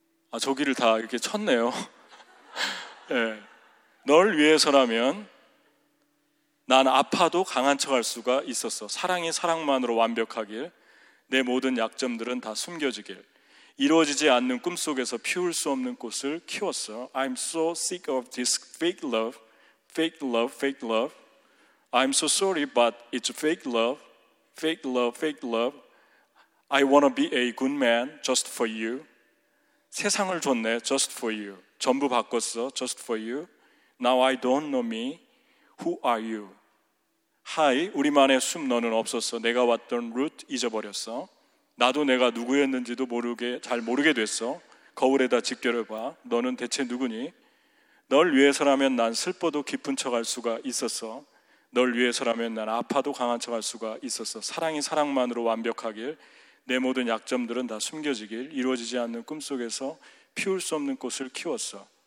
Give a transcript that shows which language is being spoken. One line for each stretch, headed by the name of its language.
Korean: 아, 저기를 다 이렇게 쳤네요. 네. 널 위해서라면 난 아파도 강한 척할 수가 있었어. 사랑이 사랑만으로 완벽하길, 내 모든 약점들은 다 숨겨지길, 이루어지지 않는 꿈속에서 피울 수 없는 꽃을 키웠어.
English: I'm so sick of this fake love, fake love, fake love. I'm so sorry, but it's fake love, fake love, fake love. I wanna be a good man just for you.
Korean: 세상을 줬네,
English: just for you.
Korean: 전부 바꿨어,
English: just for you. Now I don't know me, who are you?
Korean: Hi, 우리만의 숨 너는 없었어. 내가 왔던 route 잊어버렸어. 나도 내가 누구였는지도 모르게, 잘 모르게 됐어. 거울에다 직결해봐, 너는 대체 누구니? 널 위해서라면 난 슬퍼도 깊은 척할 수가 있었어. 널 위해서라면 난 아파도 강한 척할 수가 있었어. 사랑이 사랑만으로 완벽하길, 내 모든 약점들은 다 숨겨지길, 이루어지지 않는 꿈속에서 피울 수 없는 꽃을 키웠어.